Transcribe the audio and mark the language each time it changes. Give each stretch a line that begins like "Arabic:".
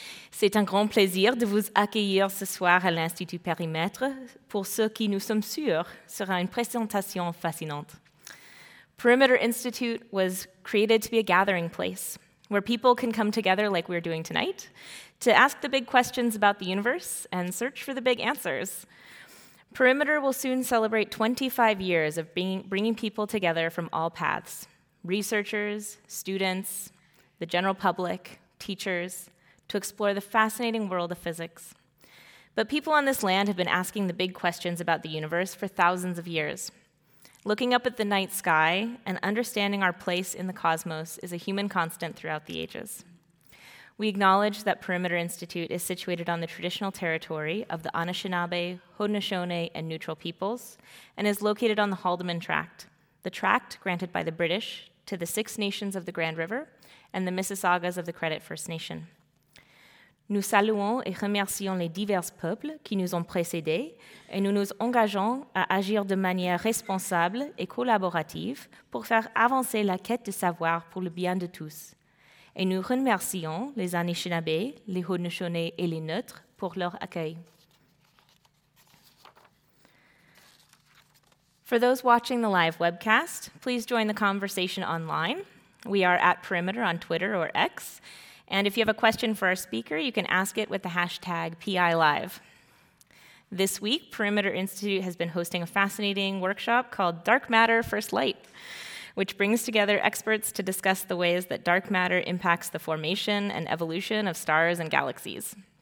French: C'est un grand plaisir de vous accueillir ce soir à l'Institut Périmètre pour ce qui nous sommes sûrs sera une présentation fascinante.
English: Perimeter Institute was created to be a gathering place where people can come together like we're doing tonight to ask the big questions about the universe and search for the big answers. Perimeter will soon celebrate 25 years of bringing people together from all paths, researchers, students, the general public, teachers, to explore the fascinating world of physics. But people on this land have been asking the big questions about the universe for thousands of years. Looking up at the night sky and understanding our place in the cosmos is a human constant throughout the ages. We acknowledge that Perimeter Institute is situated on the traditional territory of the Anishinaabe, Haudenosaunee, and Neutral peoples, and is located on the Haldimand Tract, the tract granted by the British to the Six Nations of the Grand River and the Mississaugas of the Credit First Nation.
French: Nous saluons et remercions les divers peuples qui nous ont précédés et nous nous engageons à agir de manière responsable et collaborative pour faire avancer la quête de savoir pour le bien de tous. Et nous remercions les Anishinaabe, les Haudenosaunee et les Neutres pour leur accueil.
English: For those watching the live webcast, please join the conversation online. We are at Perimeter on Twitter or X. And if you have a question for our speaker, you can ask it with the hashtag PILive. This week, Perimeter Institute has been hosting a fascinating workshop called Dark Matter First Light, which brings together experts to discuss the ways that dark matter impacts the formation and evolution of stars and galaxies.